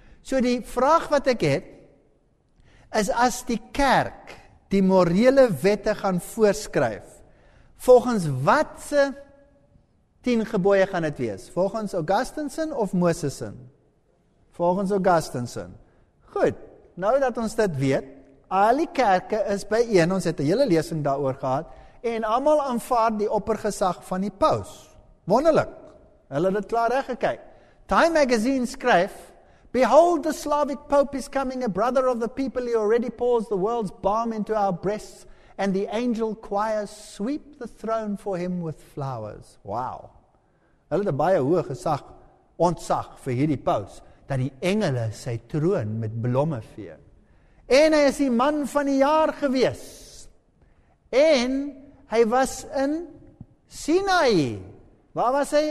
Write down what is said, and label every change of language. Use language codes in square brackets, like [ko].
[af] So die vraag wat ek het, is as die kerk die morele wette gaan voorskryf, volgens wat se 10 gebooie gaan dit wees? Volgens Augustine of Moses? Volgens Augustine. Goed, nou dat ons dit weet, al die kerke is by een, ons het 'n hele lesing daaroor gehad, en almal aanvaar die oppergesag van die paus. Wonderlik. Hulle het dit klaar reg gekyk. [en] Time magazine [af] skryf, [en] "Behold the Slavic Pope is coming, a brother of the people. He already pours the world's balm into our breasts, and the angel choir sweep the throne for him with flowers." Wow. [af] Hulle het baie hoë gesag, ontsag vir hierdie paus, dat die engele sy troon met blomme vee. En hy is die man van die jaar gewees. En hy was in Sinai. Waar was hy?